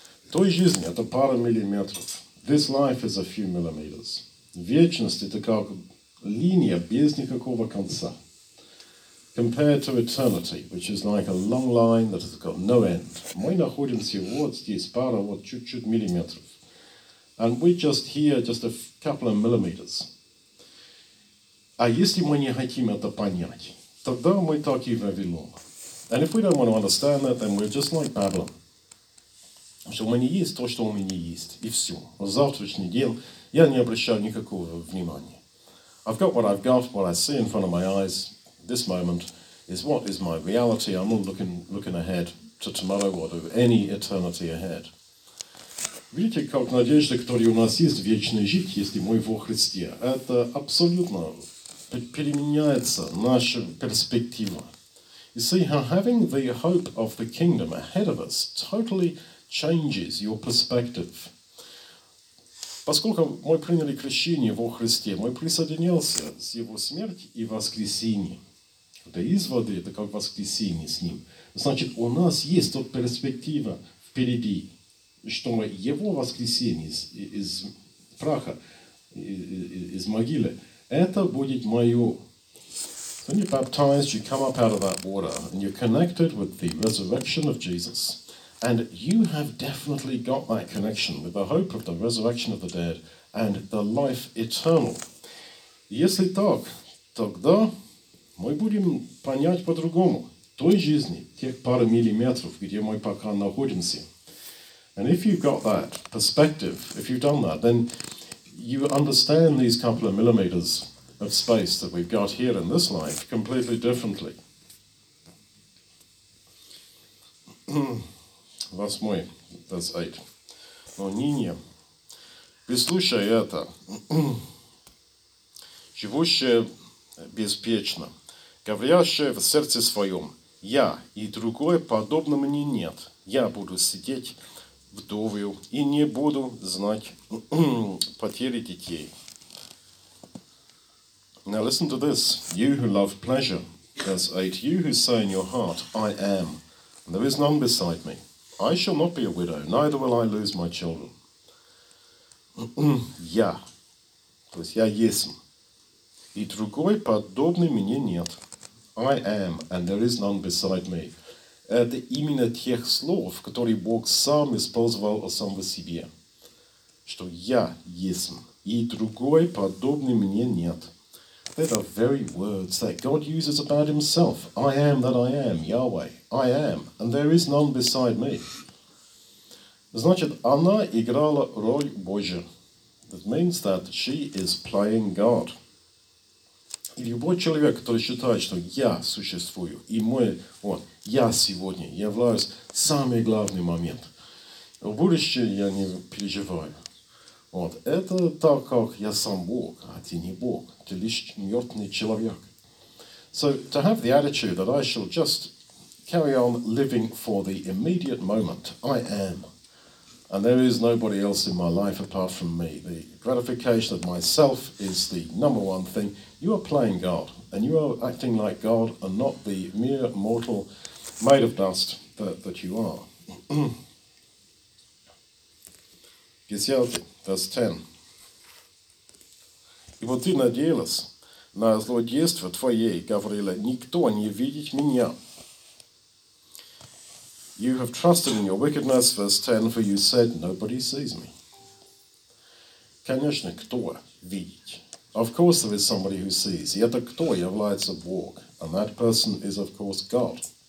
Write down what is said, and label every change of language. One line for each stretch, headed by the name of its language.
Russian: Той жизни это пара миллиметров.
English: This life is a few millimeters.
Russian: Вечность это как линия без никакого конца.
English: Compared to eternity, which is like a long line that has got no end.
Russian: Мы находимся вот здесь, пара вот чуть-чуть миллиметров.
English: And we're just here, just a couple of millimeters.
Russian: А если мы не хотим это понять, тогда мы так и Вавилон.
English: And if we don't want to understand that, then we're just like Babylon.
Russian: Что у меня есть то, что у меня есть. И все. На завтрашний день я не обращаю никакого внимания.
English: I've got what I've got, what I see in front of my eyes. This moment is what is my reality. I'm not looking ahead to tomorrow or to any eternity ahead.
Russian: Видите, как надежда, которая у нас есть, вечная жизнь, если мы во Христе. Это абсолютно переменяется наша перспектива.
English: You see how having the hope of the kingdom ahead of us totally changes your perspective.
Russian: Поскольку мы приняли крещение во Христе, мы присоединились с Его смертью и воскресением. Это из воды, это как воскресение с Ним. Значит, у нас есть тот перспектива впереди, что мы Его воскресение из праха, из могилы, это будет мое.
English: When you're baptized, you come up out of that water, and you're connected with the resurrection of Jesus. And you have definitely got that connection with the hope of the resurrection of the dead and the life eternal.
Russian: Если так, тогда мы будем понять по-другому той жизни, тех пары миллиметров, где мы пока находимся.
English: And if you've got that perspective, if you've done that, then you understand these couple of millimeters of space that we've got here in this life completely differently.
Russian: Восьмой,
English: that's eight.
Russian: Но ныне, прислушай это, живущее беспечно, говорящее в сердце своем, я и другое подобно мне нет, я буду сидеть вдовью и не буду знать потери детей.
English: Now listen to this, you who love pleasure, verse 8, you who say in your heart, I am, and there is none beside me. I shall not be a widow, neither will I lose my children.
Russian: Я, то есть я есть, и другой подобный мне нет.
English: I am, and there is none beside me.
Russian: Это именно тех слов, которые Бог сам использовал о самом себе. Что я есть, и другой подобный мне нет.
English: They're the very words that God uses about Himself. I am that I am, Yahweh. I am, and there is none beside me.
Russian: Значит, она играла роль Божия.
English: That means that she is playing God.
Russian: Любой человек, который считает, что я существую, и мой, вот, я сегодня являюсь самый главный момент. В будущем я не переживаю. Вот. Это так, как я сам Бог, а ты не Бог, ты лишь мертвый человек.
English: So, to have the attitude that I shall just carry on living for the immediate moment, I am, and there is nobody else in my life apart from me. The gratification of myself is the number one thing. You are playing God, and you are acting like God, and not the mere mortal made of dust that you are. Verse 10.
Russian: Ибо ты надеялась на злодейство твоей, говорила, никто не видит меня.
English: You have trusted in your wickedness, verse 10, for you said, nobody sees me.
Russian: Конечно, кто видит?
English: Of course there is somebody who sees.
Russian: И это кто является Бог?
English: And that person is, of course, God.